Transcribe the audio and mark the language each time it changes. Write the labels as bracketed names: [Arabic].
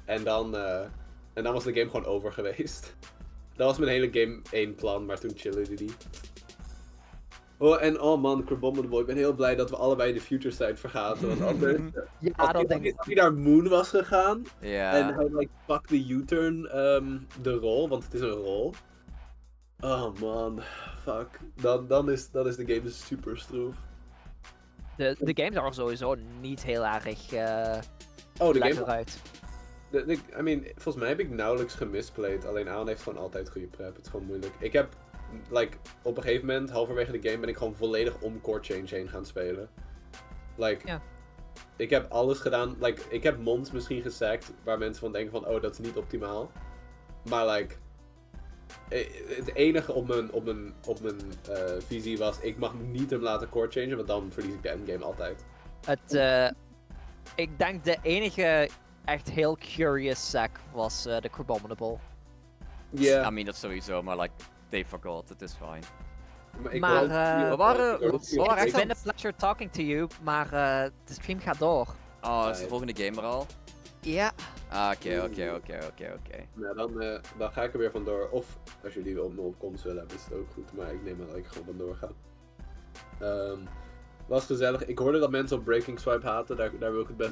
[Dutch] En dan was de game gewoon over geweest. Dat was mijn hele game 1 plan, maar toen chillde die. Oh, en oh man, Crabominable, ik ben heel blij dat we allebei de Future Sight vergaten, want anders... Ja, dat als denk ik. Als hij naar Moon was gegaan, ja. En hij like, pakt de U-turn, de rol, want het is een rol. Oh man, fuck. Dan is de game super stroef. De game zag sowieso niet heel erg lekker uit. Volgens mij heb ik nauwelijks gemisplayed, alleen Aaron heeft gewoon altijd goede prep, het is gewoon moeilijk. Ik heb... Like, op een gegeven moment, halverwege de game, ben ik gewoon volledig om Core Change heen gaan spelen. Like, ja. Ik heb alles gedaan. Like, ik heb Mons misschien gesackt, waar mensen van denken van, oh, dat is niet optimaal. Maar, like, het enige op mijn visie was, ik mag niet hem laten Core Changen, want dan verlies ik de endgame altijd. Ik denk de enige echt heel curious sack was de Crabominable. Ja. Yeah. [English] I mean, [Dutch] dat sowieso, maar, [English] like... They forgot, it is fine. [Dutch] Maar, we waren [English] it's been a pleasure talking to you, [Dutch] maar de stream gaat door. Oh, is de volgende gamer al? Ja. Oké. Nou, dan ga ik er weer vandoor. Of, als jullie wel een opkomst willen hebben, is het ook goed. Maar ik neem aan dat ik gewoon vandoor ga. Was gezellig. Ik hoorde dat mensen op Breaking Swipe haten, daar wil ik het best